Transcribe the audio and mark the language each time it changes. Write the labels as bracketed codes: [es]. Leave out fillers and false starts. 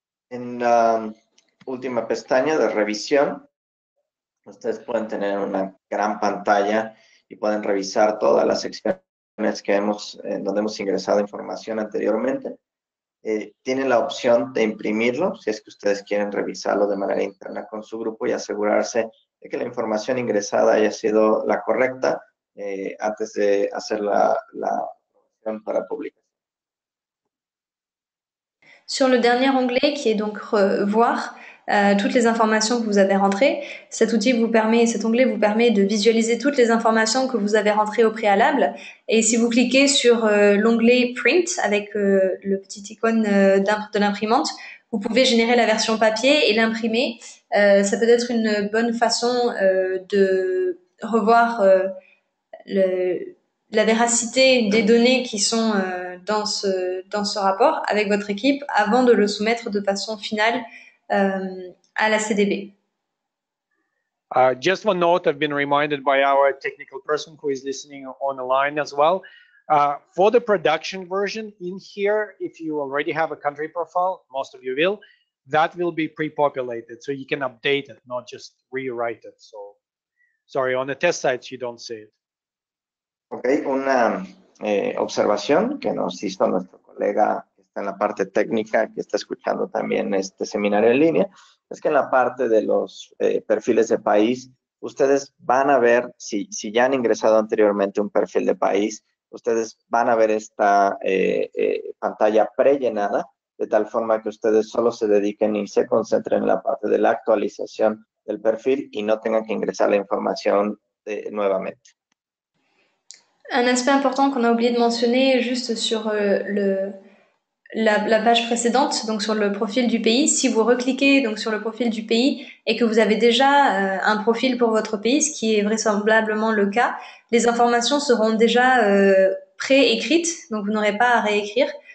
[es] En la última pestaña de revisión, ustedes pueden tener una gran pantalla y pueden revisar todas las secciones que hemos, en donde hemos ingresado información anteriormente. Tienen la opción de imprimirlo, si es que ustedes quieren revisarlo de manera interna con su grupo y asegurarse de que la información ingresada haya sido la correcta antes de hacer la opción para publicar. [fr] Sur le dernier onglet qui est donc « Revoir », toutes les informations que vous avez rentrées. Cet outil vous permet, cet onglet vous permet de visualiser toutes les informations que vous avez rentrées au préalable. Et si vous cliquez sur l'onglet Print avec le petit icône de l'imprimante, vous pouvez générer la version papier et l'imprimer. Ça peut être une bonne façon de revoir la véracité des données qui sont dans ce rapport avec votre équipe avant de le soumettre de façon finale à la CDB. [en] Just one note, I've been reminded by our technical person who is listening on the line as well. For the production version in here, if you already have a country profile, most of you will, that will be pre-populated, so you can update it, not just rewrite it. So, sorry, on the test sites, you don't see it. [es] Okay, una observación que nos hizo nuestro colega que está en la parte técnica, que está escuchando también este seminario en línea, es que en la parte de los perfiles de país, ustedes van a ver, si ya han ingresado anteriormente un perfil de país, ustedes van a ver esta pantalla prellenada, de tal forma que ustedes solo se dediquen y se concentren en la parte de la actualización del perfil y no tengan que ingresar la información nuevamente. [fr] Un aspect important qu'on a oublié de mentionner juste sur la page précédente, donc sur le profil du pays, si vous recliquez donc sur le profil du pays et que vous avez déjà un profil pour votre pays, ce qui est vraisemblablement le cas, les informations seront déjà pré-écrites, donc vous n'aurez pas à réécrire.